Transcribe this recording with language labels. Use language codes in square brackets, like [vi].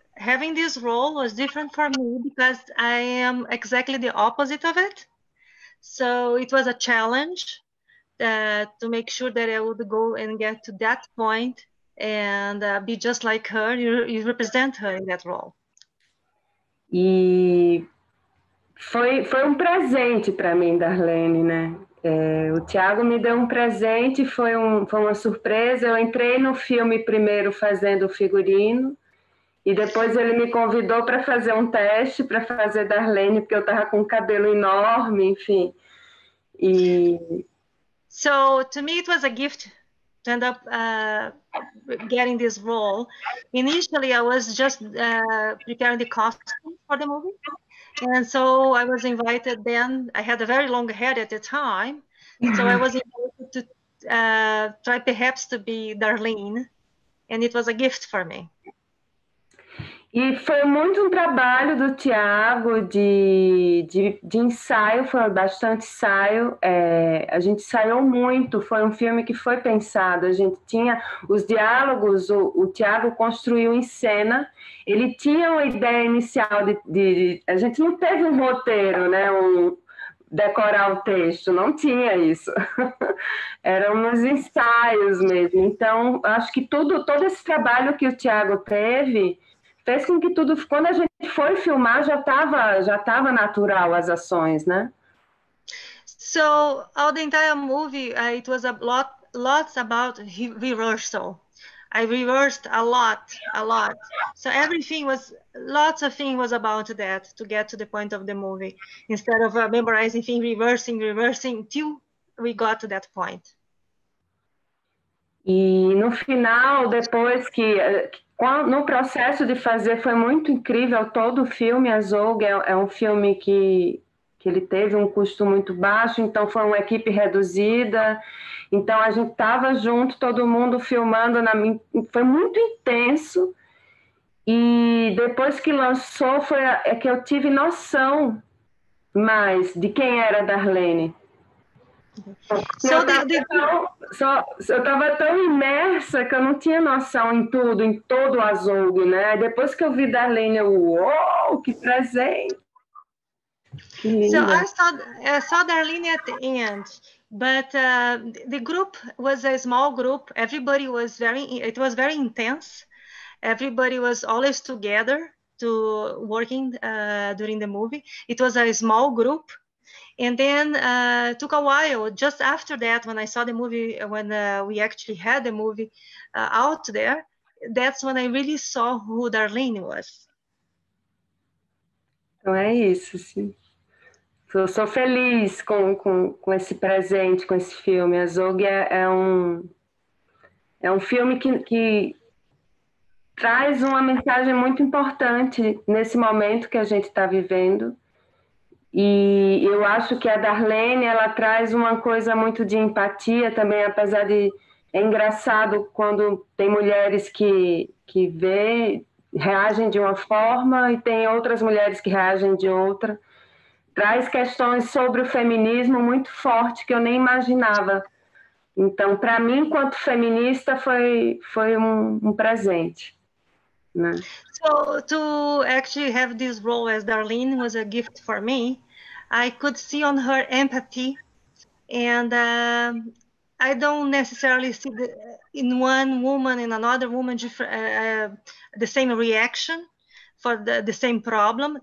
[en] Having this role was different for me because I am exactly the opposite of it. So it was a challenge to make sure that I would go and get to that point and be just like her. You represent her in that role. [pt] E foi um presente para mim, Darlene, né? É, o Thiago me deu um presente, foi uma surpresa. Eu entrei no filme primeiro fazendo o figurino e depois ele me convidou para fazer um teste para fazer Darlene, porque eu estava com um cabelo enorme, enfim. [en] So to me it was a gift to end up getting this role. Initially I was just preparing the costume for the movie, and so I was invited. Then I had a very long hair at the time, so I was invited to try perhaps to be Darlene, and it was a gift for me. [pt] E foi muito um trabalho do Thiago de ensaio, foi bastante ensaio. É, a gente ensaiou muito, foi um filme que foi pensado. A gente tinha os diálogos, o Thiago construiu em cena. Ele tinha uma ideia inicial de... A gente não teve um roteiro, né? decorar o texto, não tinha isso. Eram uns ensaios mesmo. Então, acho que tudo, todo esse trabalho que o Thiago teve fez com que tudo, quando a gente foi filmar, já tava natural as ações, né? [en] So, all the entire movie, it was a lot about rehearsal. I rehearsed a lot. So everything was, lots of things was about that, to get to the point of the movie. Instead of memorizing things, rehearsing, till we got to that point. [pt] E no final, depois que, no processo de fazer, foi muito incrível todo o filme. A Zogue é um filme que ele teve um custo muito baixo, então foi uma equipe reduzida. Então, a gente estava junto, todo mundo filmando, foi muito intenso. E depois que lançou, é que eu tive noção mais de quem era a Darlene. Eu estava tão imersa que eu não tinha noção em tudo, em todo o Azul, né? Depois que eu vi a Darlene, uou, que presente! [en] So I saw Darlene at the end, but the group was a small group. Everybody was very intense. Everybody was always together to working during the movie. It was a small group, and then it took a while. Just after that, when I saw the movie, when we actually had the movie out there, that's when I really saw who Darlene was. [pt] Então é isso, sim. Sou feliz com esse presente, com esse filme. A Zogue é um filme que traz uma mensagem muito importante nesse momento que a gente está vivendo. E eu acho que a Darlene, ela traz uma coisa muito de empatia também, apesar de... É engraçado quando tem mulheres que vê... reagem de uma forma e tem outras mulheres que reagem de outra. Traz questões sobre o feminismo muito forte que eu nem imaginava. Então, para mim, enquanto feminista, foi um presente, né? [en] So, to actually have this role as Darlene was a gift for me. I could see on her empathy, and I don't necessarily see in one woman and another woman the same reaction for the same problem.